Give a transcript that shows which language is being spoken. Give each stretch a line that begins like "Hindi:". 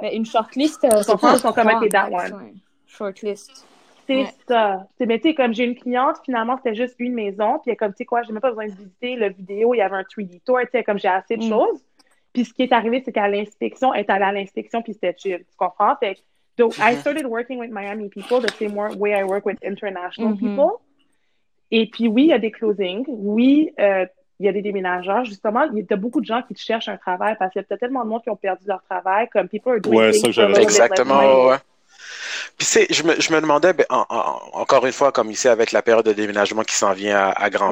French: Mais une shortlist, sont comme
English: okay, that one.
French: Shortlist. C'est ça. T'sais, mais tu sais, comme j'ai une cliente, finalement, c'était juste une maison. Puis elle est comme, tu sais quoi, j'ai même pas besoin de visiter la vidéo, il y avait un 3D tour, tu sais, comme j'ai assez de choses. Puis ce qui est arrivé, c'est qu'à l'inspection, elle est allée à l'inspection, puis c'était chill. Tu comprends? Fait que,
English: I started working with Miami people, the same way I work with international people.
French: Et puis oui, il y a des closings. Oui, il y a des déménageurs, justement, il y a beaucoup de gens qui cherchent un travail parce qu'il y a tellement de monde qui ont perdu leur travail, comme
English: people are doing
French: ouais,
English: things.
French: Ça, exactement, ouais. Puis c'est, je me demandais, ben, encore une fois, comme ici, avec la période de déménagement qui s'en vient à grands pas.